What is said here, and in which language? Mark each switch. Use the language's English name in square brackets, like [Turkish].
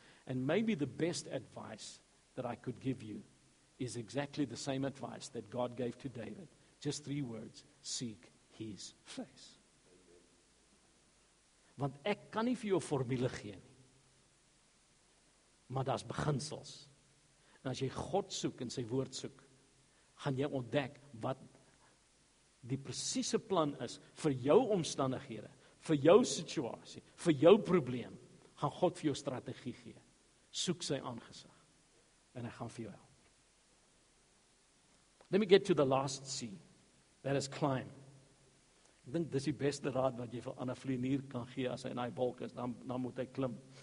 [English] And maybe the best advice that I could give you is exactly the same advice that God gave to David. Just three words: seek his face. [Afrikaans] Want ek kan nie vir jou 'n formule gee nie. Maar daar's beginsels. En as jy God soek en sy woord soek, gaan jy ontdek wat die presiese plan is vir jou omstandighede, vir jou situasie, vir jou probleem. Gaan God vir jou strategie gee. Soek sy aangesig en hy gaan vir jou help. [English] Let me get to the last C, that is climb. [Afrikaans] Ek dink dis die beste raad wat jy vir 'n ander vlieënier kan gee. As hy in daai wolk is, dan moet hy klim.